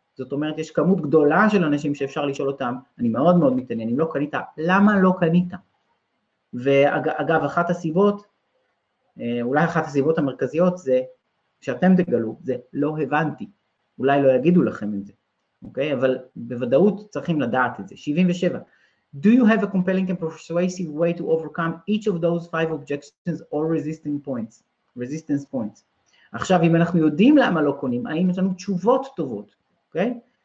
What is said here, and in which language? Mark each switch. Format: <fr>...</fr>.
<he>זאת אומרת, יש כמות גדולה של אנשים שאפשר לשאול אותם, אני מאוד מאוד מתעניין, אם לא קנית, למה לא קנית? ואגב, אחת הסיבות, אולי אחת הסיבות המרכזיות זה, שאתם תגלו, זה לא הבנתי. אולי לא יגידו לכם את זה, אוקיי? אבל בוודאות צריכים לדעת את זה. 77.</he> <en>Do you have a compelling and persuasive way to overcome each of those 5 objections or resisting points? Resistance points.</en> <he>עכשיו, אם אנחנו יודעים למה לא קונים, האם יש לנו תשובות טובות, אוקיי?</he>